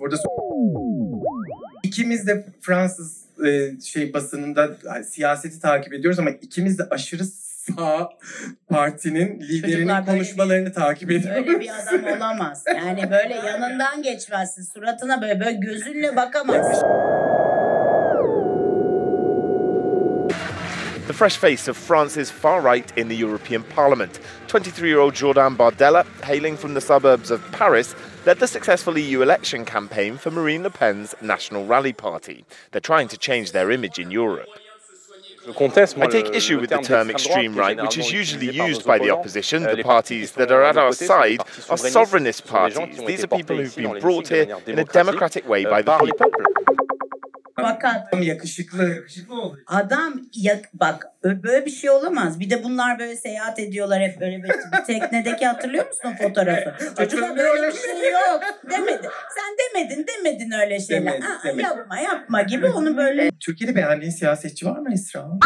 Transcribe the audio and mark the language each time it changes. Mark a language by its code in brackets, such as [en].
[tr] Burada ikimiz de Fransız şey basınında siyaseti takip ediyoruz ama ikimiz de aşırı sağ partinin liderinin böyle, konuşmalarını takip ediyoruz. Böyle bir adam olamaz. Yani böyle yanından geçmezsin. Suratına böyle gözünle bakamazsın. [en] The fresh face of France's far right in the European Parliament. 23-year-old Jordan Bardella, hailing from the suburbs of Paris, led the successful EU election campaign for Marine Le Pen's National Rally Party. They're trying to change their image in Europe. I take issue with the term extreme right, which is usually used by the opposition. The parties that are at our side are sovereignist parties. These are people who've been brought here in a democratic way by the people. [tr] Bakan. Yakışıklı oldu. Adam bak böyle bir şey olamaz. Bir de bunlar böyle seyahat ediyorlar hep böyle bir teknedeki hatırlıyor musun o fotoğrafı? Çocuklar böyle bir şey yok demedin. Sen demedin öyle şeyler. Demedi. Yapma gibi onu böyle. Türkiye'de beğendiğin siyasetçi var mı Esra?